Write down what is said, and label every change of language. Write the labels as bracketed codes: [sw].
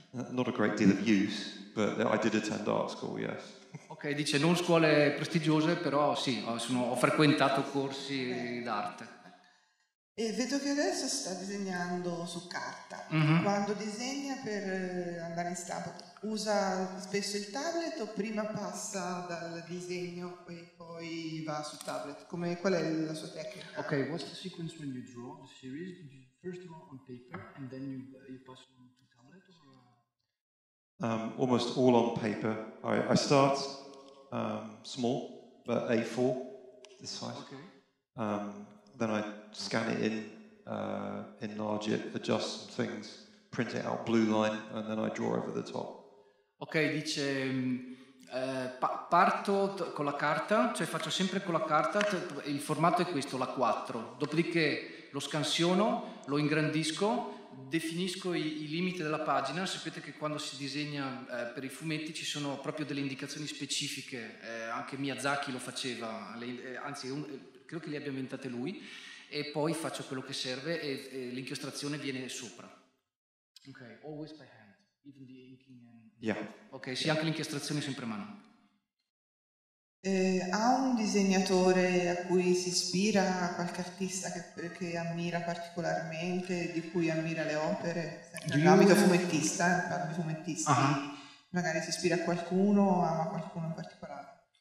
[en] Not a great deal of use, but I did attend art school, yes. [it] Ok, dice non scuole prestigiose, però sì, ho frequentato corsi d'arte. E vedo che adesso sta disegnando su carta. Mm-hmm. Quando disegna per andare in stampa, usa spesso il tablet o prima passa dal disegno e poi va sul tablet? Qual è la sua tecnica? [en] Ok, what's the sequence when you draw the series? First of all on paper and then you pass on to tablet? Or? Almost all on paper. I start small, but A4, this size. Okay. Then I scan it in, enlarge it, adjust some things, print it out blue line, and then I draw over the top. [it] Ok, dice, parto con la carta, cioè faccio sempre con la carta, il formato è questo, la 4, dopodiché lo scansiono, lo ingrandisco, definisco i limiti della pagina. Sapete che quando si disegna per i fumetti ci sono proprio delle indicazioni specifiche, anche Miyazaki lo faceva, credo che le abbia inventate lui, e poi faccio quello che serve e l'inchiostrazione viene sopra. [en] Ok, always by hand, even the inking and... Yeah. [it] Ok, sì, anche l'inchiostrazione sempre a mano. Ha un disegnatore a cui si ispira, qualche artista che ammira particolarmente, di cui ammira le opere? Nell'ambito fumettista, parlo di fumettisti. Uh-huh. Magari si ispira a qualcuno, ama qualcuno in particolare.